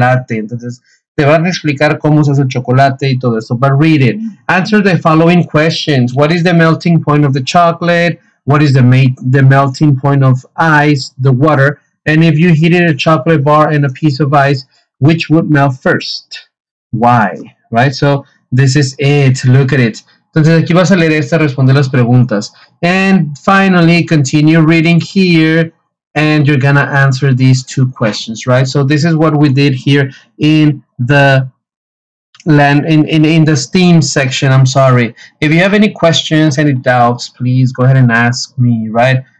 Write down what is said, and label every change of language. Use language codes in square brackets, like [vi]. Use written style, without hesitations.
[es] Entonces, te van a explicar cómo se hace el chocolate y todo eso. [en] But read it. Answer the following questions. What is the melting point of the chocolate? What is the melting point of ice, the water? And if you heated a chocolate bar and a piece of ice, which would melt first? Why? Right? So this is it. Look at it. [es] Entonces aquí vas a leer esta, responder las preguntas. [en] And finally, continue reading here, and you're going to answer these two questions, right? So this is what we did here in the land in the STEAM section. I'm sorry. If you have any questions, any doubts, please go ahead and ask me, right?